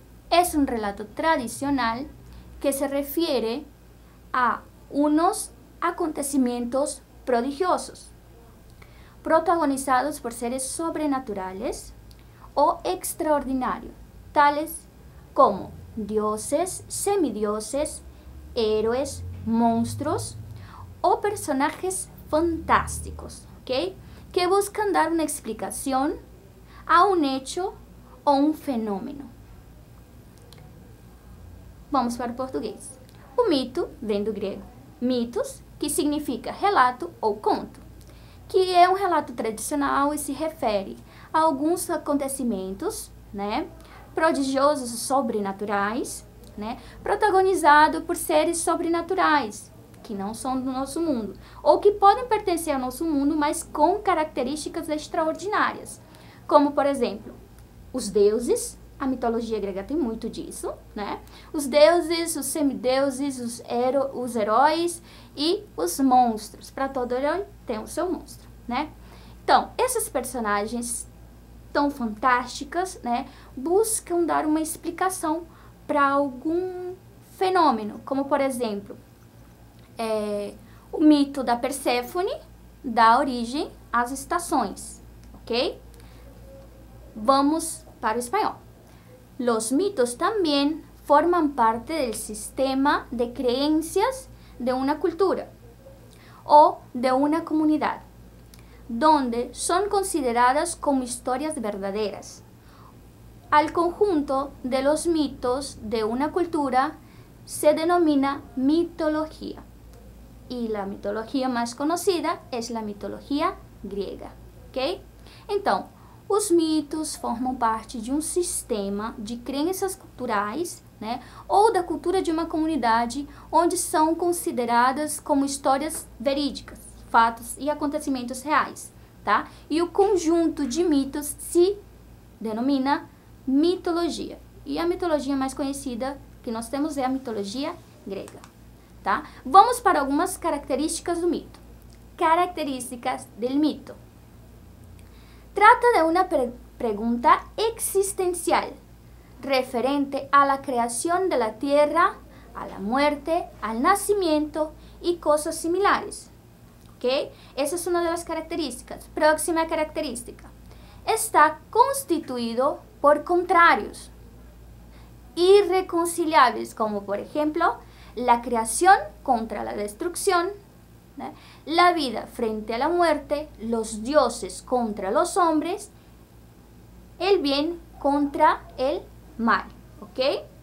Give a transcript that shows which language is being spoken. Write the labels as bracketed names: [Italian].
[Spanish] Es un relato tradicional que se refiere a unos acontecimientos prodigiosos, protagonizados por seres sobrenaturales o extraordinarios, tales como dioses, semidioses, héroes, monstruos o personajes fantásticos, ¿okay? Que buscan dar una explicación a un hecho o un fenómeno. Vamos para el portugués. Un mito, [Portuguese] ven do griego, mitos, que significa relato ou conto, que é um relato tradicional e se refere a alguns acontecimentos, né, prodigiosos, sobrenaturais, né, protagonizado por seres sobrenaturais, que não são do nosso mundo, ou que podem pertencer ao nosso mundo, mas com características extraordinárias, como, por exemplo, os deuses. A mitologia grega tem muito disso, né? Os deuses, os semideuses, os heróis e os monstros. Para todo herói tem o seu monstro, né? Então, esses personagens tão fantásticas, né? Buscam dar uma explicação para algum fenômeno. Como, por exemplo, o mito da Perséfone dá origem às estações, ok? Vamos para o espanhol. [Spanish] Los mitos también forman parte del sistema de creencias de una cultura o de una comunidad, donde son consideradas como historias verdaderas. Al conjunto de los mitos de una cultura se denomina mitología, y la mitología más conocida es la mitología griega. ¿Okay? [Portuguese] Entonces, os mitos formam parte de um sistema de crenças culturais, né, ou da cultura de uma comunidade, onde são consideradas como histórias verídicas, fatos e acontecimentos reais, tá? E o conjunto de mitos se denomina mitologia. E a mitologia mais conhecida que nós temos é a mitologia grega, tá? Vamos para algumas características do mito. [Spanish] Características del mito. Trata de una pregunta existencial referente a la creación de la tierra, a la muerte, al nacimiento y cosas similares. ¿Okay? Esa es una de las características. Próxima característica. Está constituido por contrarios irreconciliables, como por ejemplo la creación contra la destrucción, la vida frente a la muerte, los dioses contra los hombres, el bien contra el mal, ¿ok?